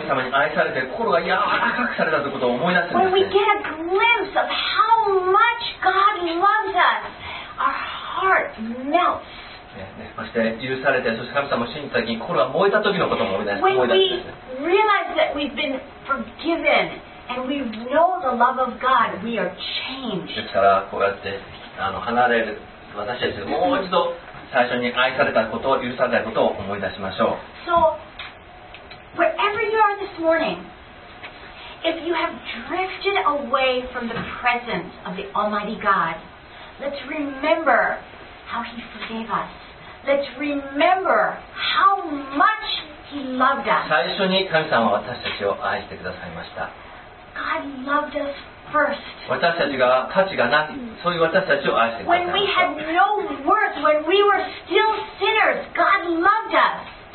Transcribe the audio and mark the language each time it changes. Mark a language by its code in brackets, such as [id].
[ja] 神様に愛されて心が柔らかくされたということを思い出すんです [en] When we get a glimpse of how much God loves us, our heart melts. [ja] まして許されて、そして神様を信じた時に心が燃えた時のことも思い出すんですね。 [en] When we realize that we've been forgiven. And we know the love of God. We are changed. [ja] ですからこうやって離れる私たちもう一度最初に愛されたことを許されたことを思い出しましょう。 [en] So wherever you are this morning, if you have drifted away from the presence of the Almighty God, let's remember how He forgave us. Let's remember how much He loved us. [ja] 最初に神様は私たちを愛してくださいました。 [en] God loved us first. [ja] 私たちが価値がない、そういう私たちを愛してくださいました。 [en] When we had no worth, when we were still sinners, God loved us.